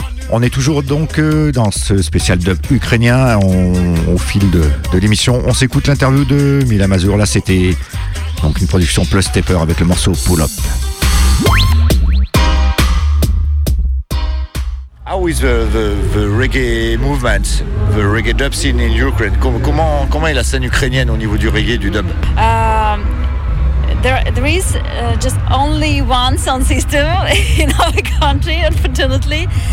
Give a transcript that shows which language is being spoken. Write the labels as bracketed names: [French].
[French] On est toujours donc dans ce spécial dub ukrainien. Au fil de l'émission, on s'écoute l'interview de Mila Mazur. Là, c'était donc une production Plus Stepper avec le morceau Pull Up. [English] How is the reggae movement, the reggae dub scene in Ukraine? [French] Comment est la scène ukrainienne au niveau du reggae, du dub? [English] There is just only one sound system in our country, unfortunately.